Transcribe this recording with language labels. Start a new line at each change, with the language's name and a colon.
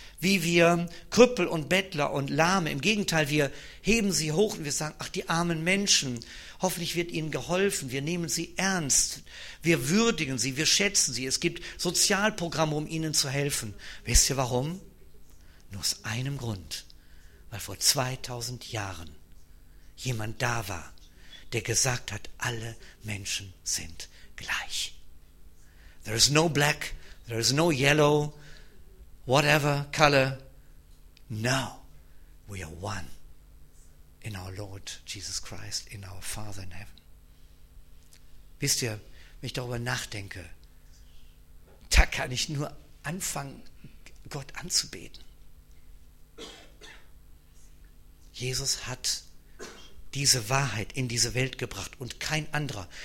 German: Wie wir Krüppel und Bettler und Lahme, im Gegenteil, wir heben sie hoch und wir sagen, ach die armen Menschen, hoffentlich wird ihnen geholfen, wir nehmen sie ernst, wir würdigen sie, wir schätzen sie, es gibt Sozialprogramme, um ihnen zu helfen. Wisst ihr warum? Nur aus einem Grund, weil vor 2000 Jahren jemand da war, der gesagt hat, alle Menschen sind gleich.
English: There is no black, there is no yellow, whatever color, now we are one in our Lord Jesus Christ, in our Father in heaven.
German: Wisst ihr, wenn ich darüber nachdenke, da kann ich nur anfangen, Gott anzubeten. Jesus hat diese Wahrheit in diese Welt gebracht und kein anderer.